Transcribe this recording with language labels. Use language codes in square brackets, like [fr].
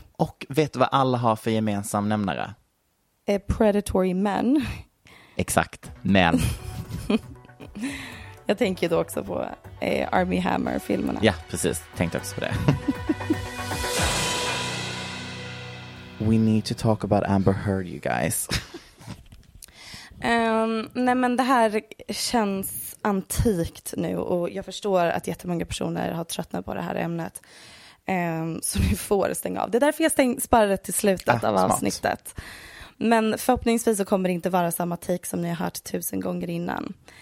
[sv] Och vet du vad alla har för gemensam nämnare? [en] Predatory men. [sv] Exakt, men. Jag tänker då också på Armie Hammer-filmerna. Ja, precis. Tänkte också på det. [en] We need to talk about Amber Heard, you guys. [sv] Nej, men det här känns antikt nu. Och jag förstår att jättemånga personer har tröttnat på det här ämnet. Så ni får stänga av. Det är därför jag sparar det till slutet av avsnittet. Men förhoppningsvis så kommer det inte vara samma take som ni har hört 1000 gånger innan.